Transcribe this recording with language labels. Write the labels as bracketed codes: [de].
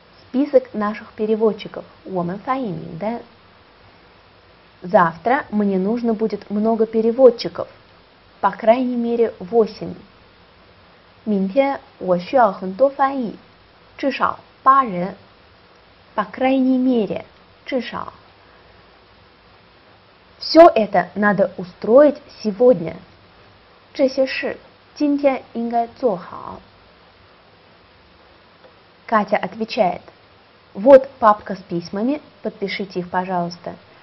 [ru] список наших переводчиков, [zh] 我们翻译名单. [ru] Завтра мне нужно будет много переводчиков, по крайней мере 8. [zh] 明天我需要很多翻译, 至少8人. [ru] По крайней мере, 至少. Все это надо устроить сегодня. [zh] 这些事今天应该做好. [ru] Катя отвечает. Вот папка с письмами, подпишите их, пожалуйста.